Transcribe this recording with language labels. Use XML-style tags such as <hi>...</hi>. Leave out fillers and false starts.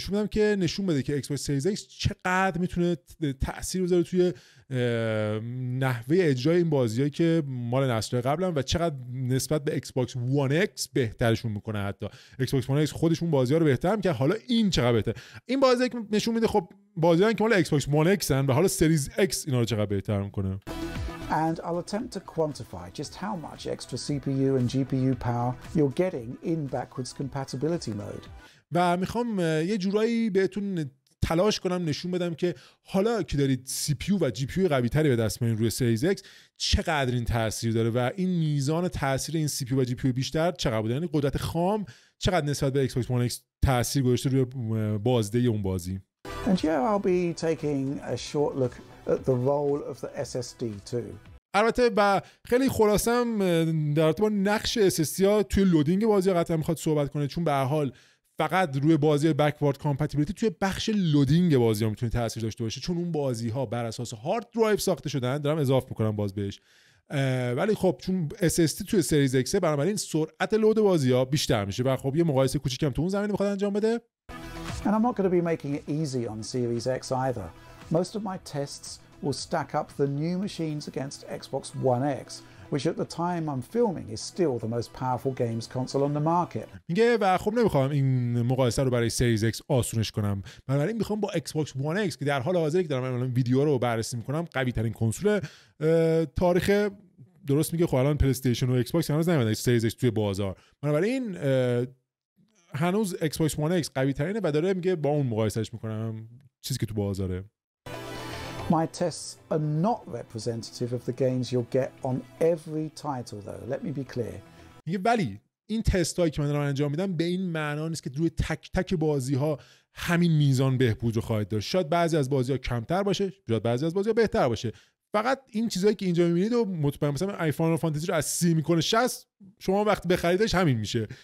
<fa>که نشون بده که Xbox Series X چقدر میتونه تأثیر بذاره توی نحوه اجرای این بازی‌هایی که مال نسل قبلن و چقدر نسبت به Xbox One X بهترشون میکنه. حتی Xbox One X خودشون بازی‌ها رو بهتر میکنه، حالا این چقدر بهتر. این بازی نشون میده خب بازی‌ها که مال Xbox One X هن و حالا Series X اینا رو چقدر بهتر میکنه.</fa> <en>And I'll attempt to quantify just how much extra CPU and GPU power you're getting in backwards compatibility mode.</en> <fa>و میخوام یه جورایی بهتون تلاش کنم نشون بدم که حالا که دارید CPU و GPU قوی تری به دست میارید روی سریز X چقدر این تاثیر داره و این میزان تاثیر این CPU و GPU بیشتر چقدر بوده، یعنی قدرت خام چقدر نسبت به Xbox One X تاثیر گذاشته روی بازده اون بازی.</fa> <en>And yeah, I'll be taking a short look at the role of the SSD too.</en> <fa>البته با خیلی خلاصم در رابطه با نقش SSD ها توی لودینگ بازی قطعا میخواد صحبت کنه، چون به هر حال فقط روی بازی بکوارد کامپتیبیلیتی توی بخش لودینگ بازی ها میتونه تاثیر داشته باشه، چون اون بازی ها بر اساس هارد درایو ساخته شدن. دارم اضافه میکنم باز بهش، ولی خب چون SSD توی سریز X بنابراین سرعت لود بازی ها بیشتر میشه و خب یه مقایسه کوچیکم تو اون زمینه میخواد انجام بده.</fa> <en>And I'm not going to be making it easy on Series X either. Most of my tests will stack up the new machines against Xbox One X, which at the time I'm filming is still the most powerful games console on the market.</en> <fa>میگه و خب نمیخوام این مقایسه رو برای سریز X آسونش کنم. بنابراین میخوام با Xbox One X که در حال حاضر که دارم الان ویدیو رو بررسی میکنم قوی ترین کنسول تاریخ، درست میگه خب الان پلی‌استیشن و ایکس باکس هنوز نمیدن سریز X توی بازار. بنابراین هنوز Xbox One X قوی ترینه و داره میگه با اون مقایسهش میکنم چیزی که تو بازاره.</fa> <en>My tests are not representative of the games you'll get on every title though. Let me be clear.</en> <fa>میگه ولی این تستایی که من دارم انجام میدم به این معنا نیست که روی تک تک بازی‌ها همین میزان بهبود رو خواهد داشت. شاید بعضی از بازی‌ها کمتر باشه، شاید بعضی از بازی‌ها بهتر باشه. فقط این چیزایی که اینجا می‌بینید و مطمئن مثلا آیفون فانتزی رو از 30 می‌کنه 60 شما وقت بخریدش همین میشه.</fa>